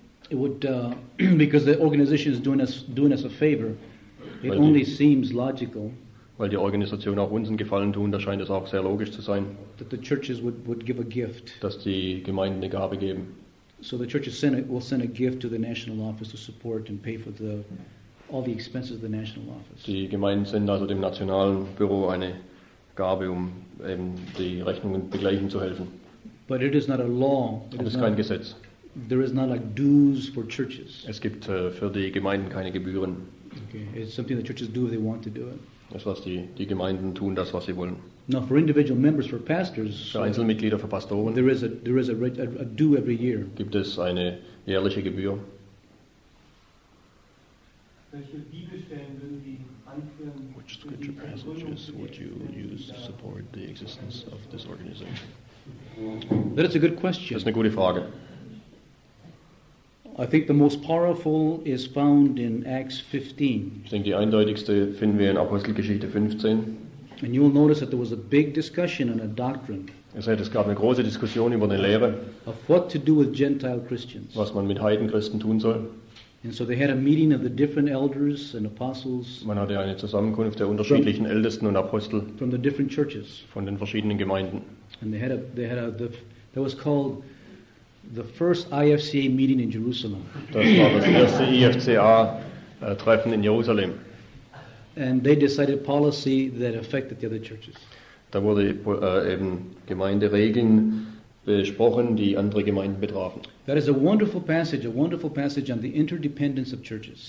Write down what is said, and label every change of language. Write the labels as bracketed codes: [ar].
[en] It would because the organization is doing us a favor. It only seems logical. [de] Weil die Organisation auch uns einen Gefallen tun, da scheint es auch sehr logisch zu sein. [en] That the churches would give a gift. [de] Dass die Gemeinden eine Gabe geben. [en] So the churches will send a gift to the national office to support and pay for all the expenses of the national office. [de] Die Gemeinden senden also dem nationalen Büro eine Gabe, um eben die Rechnungen begleichen zu helfen. [en] But it is not a law. [de] Es ist kein Gesetz. [en] There is not like dues for churches. [de] Es gibt für die Gemeinden keine Gebühren. [en] Okay. It's something the churches do if they want to do it. [de] Das, was die Gemeinden tun, das, was sie wollen. [en] Now for individual members, for pastors. [de] Für Einzelmitglieder, für Pastoren. [en] There is a due every year. [de] Gibt es eine jährliche Gebühr? Welche Bibelstellen würden Sie anführen? [en] Which scripture passages would you use to support the existence of this organization? That is a good question. [de] Das ist eine gute Frage. [en] I think the most powerful is found in Acts 15. [de] Ich denke, die eindeutigste finden wir in Apostelgeschichte 15. [en] And you will notice that there was a big discussion on a doctrine. [de] Ihr seht, es gab eine große Diskussion über eine Lehre. [en] Of what to do with Gentile Christians. [de] Was man mit Heidenchristen tun soll. [en] And so they had a meeting of the different elders and apostles. [de] Man hatte eine Zusammenkunft der unterschiedlichen Ältesten und Apostel. [en] From the different churches. [de] Von den verschiedenen Gemeinden. [en] And that was called the first IFCA meeting in Jerusalem. [de] Das war das erste IFCA-Treffen in Jerusalem. [en] And they decided policy that affected the other churches. [de] Da wurde eben Gemeinderegeln besprochen, die andere Gemeinden betrafen. [en] That is a wonderful passage, on the interdependence of churches.